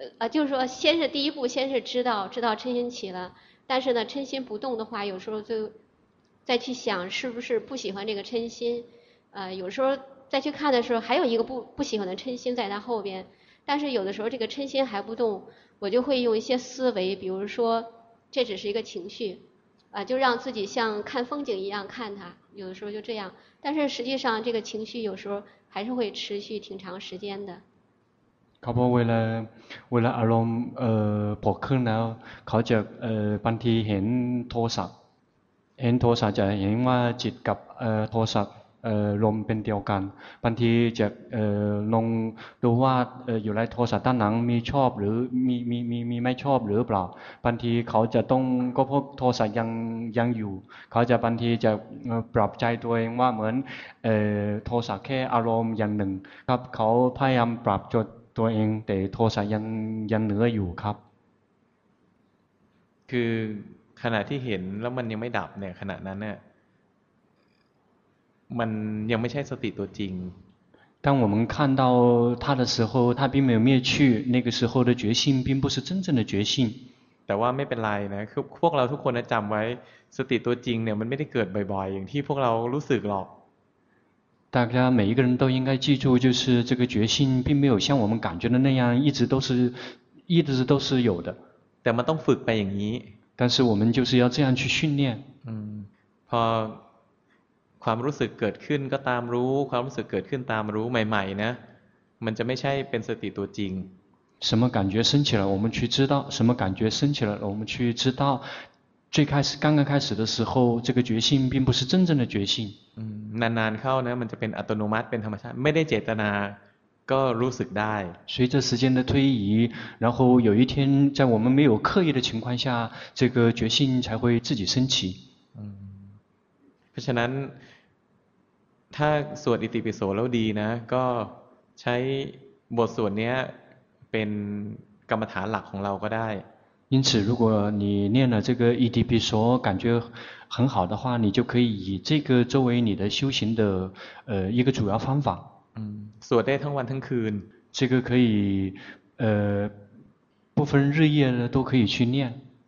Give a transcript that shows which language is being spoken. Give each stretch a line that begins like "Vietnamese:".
Chinese: 就是说先是第一步，先是知道嗔心起了，但是呢嗔心不动的话，有时候就再去想是不是不喜欢这个嗔心，有时候再去看的时候还有一个不喜欢的嗔心在他后边，但是有的时候这个嗔心还不动，我就会用一些思维，比如说这只是一个情绪，就让自己像看风景一样看它，有的时候就这样，但是实际上这个情绪有时候还是会持续挺长时间的。
Thai: เขาบอกเวลาอารมณ์พอขึ้นแล้วเขาจะบางทีเห็นโทสะจะเห็นว่าจิตกับโทสะลมเป็นเดียวกันบางทีจะลงดูว่าอยู่ในโทสะด้านหลังมีชอบหรือมีไม่ชอบหรือเปล่าบางทีเขาจะต้องก็พบโทสะยังอยู่เขาจะบางทีจะปรับใจตัวเองว่าเหมือน โทสะแค่อารมณ์อย่างหนึ่งครับเขาพยายามปรับจุดตัวเองแต่โทสะยังเหนืออยู่ครับ คือขณะที่เห็นแล้วมันยังไม่ดับเนี่ยขณะนั้นเนี่ยมันยังไม่ใช่สติตัวจริง
Chinese: 当我们看到它的时候它并没有灭去那个时候的觉性并不是真正的觉性
Thai: แต่ว่าไม่เป็นไรนะคือพวกเราทุกคนจำไว้สติตัวจริงเนี่ยมันไม่ได้เกิดบ่อยๆอย่างที่พวกเรารู้สึกหรอก
Chinese: 大家每一个人都应该记住就是这个觉性并没有像我们感觉的那样一直都是有的
Thai: แต่มันต้องฝึกไปอย่างนี้
Chinese: 但是我们就是要这样去训练
Thai: พอความรู้สึกเกิดขึ้นก็ตามรู้ความรู้สึกเกิดขึ้นตามรู้ใหม่ๆนะมันจะไม่ใช่เป็นสติตัวจริง
Chinese: 什么感觉升起来我们去知道什么感觉升起来我们去知道最开始刚刚开始的时候这个觉性并不是真正的觉性
Thai: นานๆเข้านะมันจะเป็นอัตโนมัติเป็นธรรมชาติไม่ได้เจตนาก็รู้สึกได้
Chinese: 随着时间的推移然后有一天在我们没有刻意的情况下这个觉性才会自己升起
Thai: เพราะฉะนั้นถ้าสวดอิติปิโสแล้วดีนะก็ใช้บทสวดนี้เป็นกรรมฐานหลักของเราก็ได้
Chinese: 因此如果你念了这个อิติปิโส感觉很好的话你就可以以这个作为你的修行的一个主要方法
Thai: สวดได้ทั้งวันทั้งคืน
Chinese: 这个可以不分日夜的都可以去念